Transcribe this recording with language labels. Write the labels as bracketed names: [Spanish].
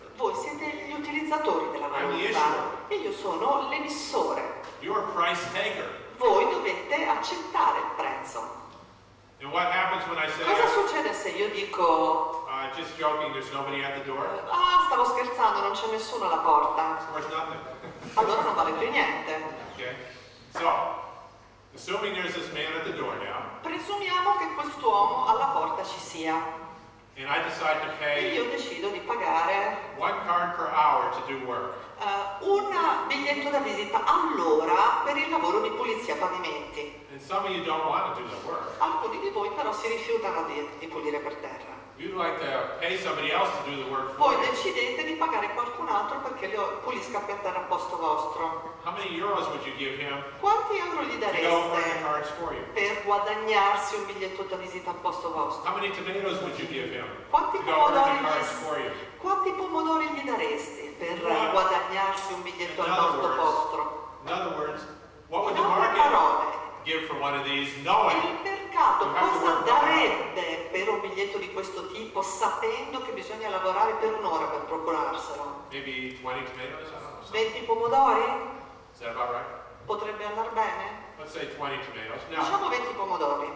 [Italian] Voi siete gli utilizzatori della valuta e io sono l'emissore. [English] You're a price taker. [Italian] Voi dovete accettare il prezzo. [English] And what happens when I say, [Italian] cosa succede se io dico [English] just joking, there's nobody at the door? [Italian] Ah, stavo scherzando, non c'è nessuno alla porta. Allora non vale più niente. [English] Okay. So, assuming there's this man at the door now, [Italian] presumiamo che quest'uomo alla porta ci sia. [English] And I decide to pay [Italian] e io decido di pagare [English] one card per hour to do work. [Italian] Un biglietto da visita all'ora per il lavoro di pulizia pavimenti. [English] And some of you don't want to do the work. [Italian] Alcuni di voi però si rifiutano di pulire per terra. [English] You'd like to pay somebody else to do the work for you. [Italian] Decidete di pagare qualcun altro perché lo pulisca per terra al posto vostro. [English] How many euros would you give him? [Italian] Quanti euro gli dareste [English] to go for the cards for you? [Italian] Per guadagnarsi un biglietto da visita al posto vostro? [English] How many tomatoes would you give him? [Italian] Quanti pomodori gli dareste [English] for you? [Italian] Quanti pomodori gli dareste per guadagnarsi un biglietto al posto vostro? [English] In other words, what would the market give for one of these knowing? [Italian] Cosa darebbe per un biglietto di questo tipo sapendo che bisogna lavorare per un'ora per procurarselo? [English] Maybe 20 tomatoes, I don't know. [Italian] 20 pomodori? [English] Is that about right? [Italian] Potrebbe andare bene? [English] Let's say 20 tomatoes. Now, [Italian] diciamo 20 pomodori.